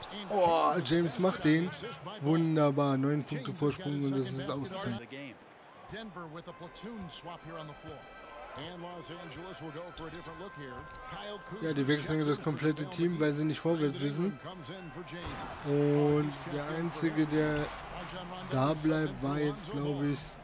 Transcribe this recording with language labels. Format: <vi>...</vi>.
<de>Oh, James macht den. Wunderbar. 9 Punkte Vorsprung und es ist Auszeit.</de> <en>Denver with a platoon swap here on the floor. And Los Angeles will go for a different look here.</en> <de>Ja, die wechseln das komplette Team, weil sie nicht vorwärts wissen. Und der Einzige, der da bleibt, war jetzt, glaube ich.</de>